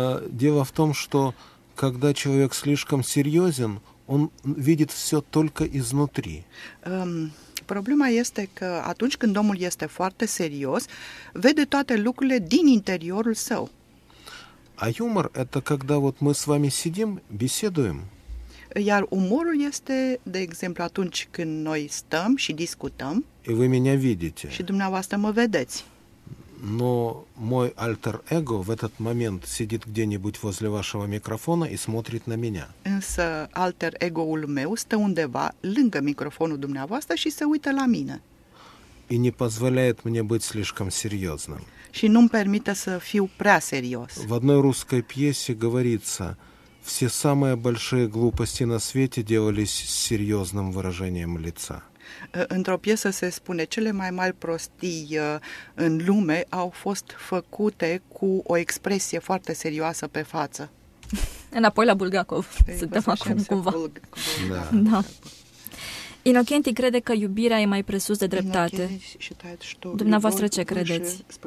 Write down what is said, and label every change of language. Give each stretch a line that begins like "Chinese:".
Russian: Дело в том, что когда человек слишком серьезен, он видит все только изнутри.
Romanian: Problema este că atunci când omul este foarte serios, vede toate lucrurile din interiorul său.
Russian: А юмор — это когда вот мы с вами сидим, беседуем.
Romanian: Iar umorul este, de exemplu, atunci când noi stăm și discutăm.
Russian: И вы меня видите.
Romanian: Și dumneavoastră mă vedeți.
Russian: но мой альтер-эго в этот момент сидит где-нибудь возле вашего микрофона и смотрит на меня.
Romanian: Însă alter-ego-ul meu stă undeva lângă microfonul dumneavoastră și se uită la mine.
Russian: И не позволяет мне быть слишком серьезным.
Romanian: Și nu-mi permite să fiu prea serios.
Russian: В одной русской пьесе говорится: все самые большие глупости на свете делались с серьезным выражением лица.
Romanian: Într-o piesă se spune, cele mai mari prostii în lume au fost făcute cu o expresie foarte serioasă pe față. Înapoi la Bulgakov. Suntem acum cumva. Da. Inocenti crede că iubirea e mai presus de dreptate. Dumneavoastră ce credeți?